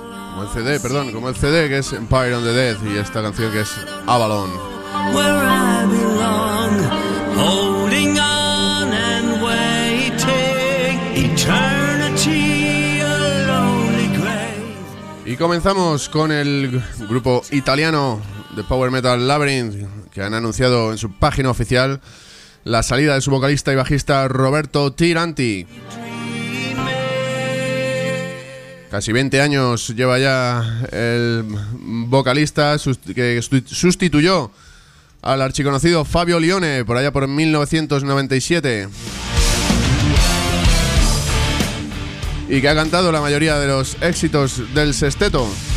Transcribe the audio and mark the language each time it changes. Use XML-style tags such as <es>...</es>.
<es>Como el CD, perdón, como el CD que es Empire of the Dead y esta canción que es Avalon.</es> <en>Where I belong, holding on and waiting, eternity, a lonely grave.</en> <es>Y comenzamos con el grupo italiano de Power Metal Labyrinth, que han anunciado en su página oficial la salida de su vocalista y bajista Roberto Tiranti. Casi 20 años lleva ya el vocalista que sustituyó al archiconocido Fabio Lione por allá por 1997 y que ha cantado la mayoría de los éxitos del sexteto.</es>